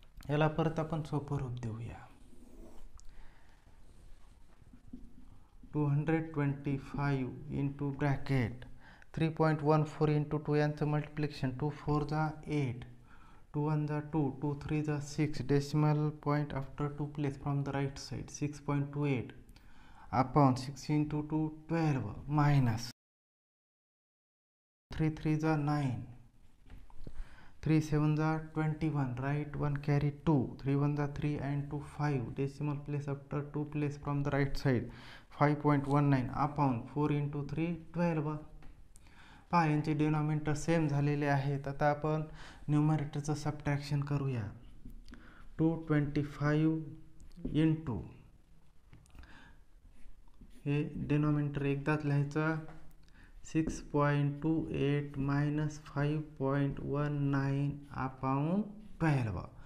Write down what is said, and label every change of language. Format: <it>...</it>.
<mr>याला परत आपण सोपं रूप देऊया,</mr> <en>225 into bracket 3.14 × 2 यांचं multiplication, 2 4 = 8, 2 1 = 2, 2 3 = 6, decimal point after two place from the right side 6.28 upon 6 × 2 = 12 minus 3 3 = 9, three seven जा 21 right, one carry two, three one जा three and two five, decimal place after two place from the right side 5.19 upon 4 × 3 12।</en> <mr>पहा यांचे denominator same झालेले आहेत, आता आपण न्यूमरेटरचं subtraction करूया। 225 इंटू हे डिनॉमिनेटर एकदाच लिहायचं 6.28 मायनस 5.19 अपॉन 12।</mr>